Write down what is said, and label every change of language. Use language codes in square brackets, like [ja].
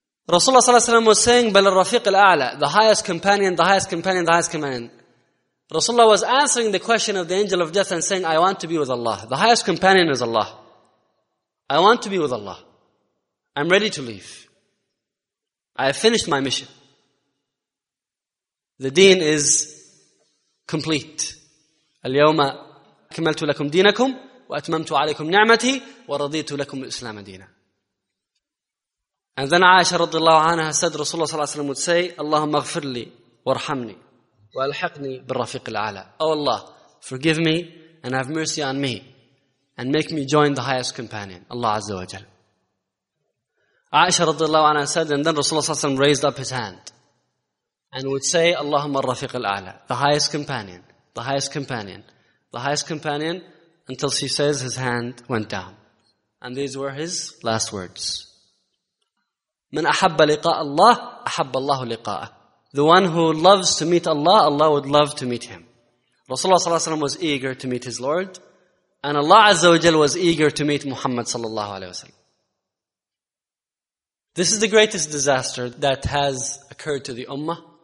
[en] Rasulullah was saying, [ar] بَلَ الرَّفِيقِ الْأَعْلَى, [en] the highest companion, the highest companion, the highest companion. Rasulullah was answering the question of the angel of death and saying, I want to be with Allah. The highest companion is Allah. I want to be with Allah. I'm ready to leave. I have finished my mission. The deen is complete. [ar] اليوم أكملت لكم دينكم وأتممت عليكم نعمتي ورضيت لكم الإسلام دينا. [en] And then Aisha رضي الله عنها said, Rasulullah صلى الله عليه وسلم would say, [ar] اللهم اغفر لي وارحمني وألحقني بالرفيق الأعلى. [en] Oh Allah, forgive me and have mercy on me, and make me join the highest companion, Allah Azza wa Jal. Aisha radiallahu anha said, and then Rasulullah raised up his hand and would say, Allahumma al-Rafiq al-A'la, the highest companion, the highest companion, the highest companion, until she says his hand went down. And these were his last words. [ar] من أحب لقاء الله أحب الله لقاءه. [en] The one who loves to meet Allah, Allah would love to meet him. Rasulullah was eager to meet his Lord, and Allah Azza wa Jal was eager to meet Muhammad sallallahu alayhi wa sallam. This is the greatest disaster that has occurred to the Ummah.